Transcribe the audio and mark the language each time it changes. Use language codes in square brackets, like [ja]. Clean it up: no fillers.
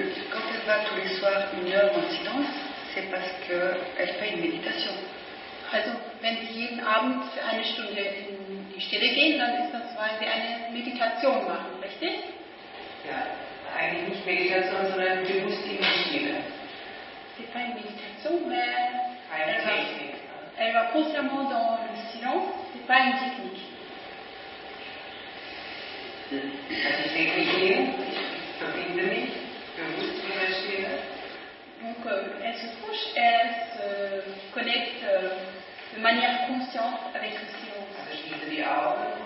[fr] Quand elle va tous les soirs une heure en silence, c'est parce qu'elle fait une méditation. [de] Also, wenn sie jeden Abend für eine Stunde in die Stille gehen, dann ist das, weil sie eine Meditation machen, richtig? Ja, eigentlich nicht Meditation, sondern bewusst in die Stille. [fr] C'est pas une méditation, mais elle va consciemment dans le silence, c'est pas une technique. Donc elle se couche, elle se connecte de manière consciente avec le silence.